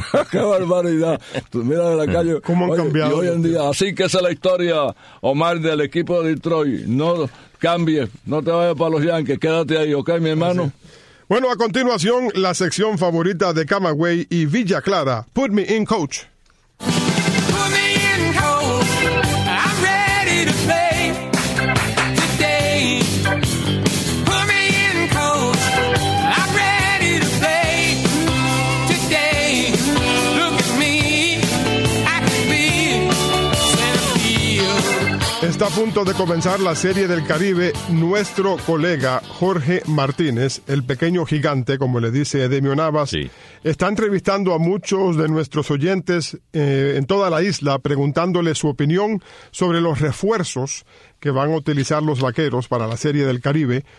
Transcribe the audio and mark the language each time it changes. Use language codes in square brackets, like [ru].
[es] ¡Qué barbaridad! Tú mira de la calle. ¿Cómo han cambiado? Y hoy en día, así que esa es la historia, Omar, del equipo de Detroit. No cambies, no te vayas para los Yankees, quédate ahí, ¿ok, mi hermano? Así. Bueno, a continuación, la sección favorita de Camagüey y Villa Clara, Put Me In Coach. [en] Put me in coach, I'm ready to play today. Put me in coach, I'm ready to play today. Look at me, I can be centerfield. [es] Está a punto de comenzar la Serie del Caribe nuestro colega Jorge Martínez, el pequeño gigante, como le dice Edemio Navas, sí, está entrevistando a muchos de nuestros oyentes en toda la isla, preguntándole su opinión sobre los refuerzos que van a utilizar los vaqueros para la Serie del Caribe.